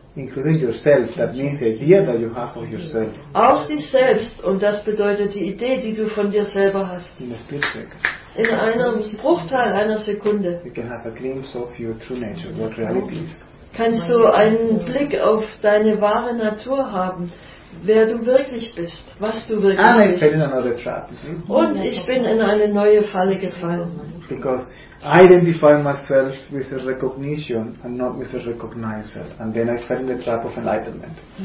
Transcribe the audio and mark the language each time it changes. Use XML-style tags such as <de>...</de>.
<en>Including yourself, that means the idea that you have of yourself.</en> <de>Auch dich selbst, und das bedeutet die Idee, die du von dir selber hast.</de> <en>In a split second.</en> <de>In einem Bruchteil einer Sekunde.</de> <en>You can have a glimpse of your true nature, what reality is.</en> <de>Kannst du einen Blick auf deine wahre Natur haben, wer du wirklich bist, was du wirklich</de> <en>and</en> <de>bist.</de> <en>I fell in another trap.</en> <de>Und ich bin in eine neue Falle gefallen.</de> <en>Because I identify myself with the recognition and not with the recognizer. And then I fell in the trap of enlightenment.</en>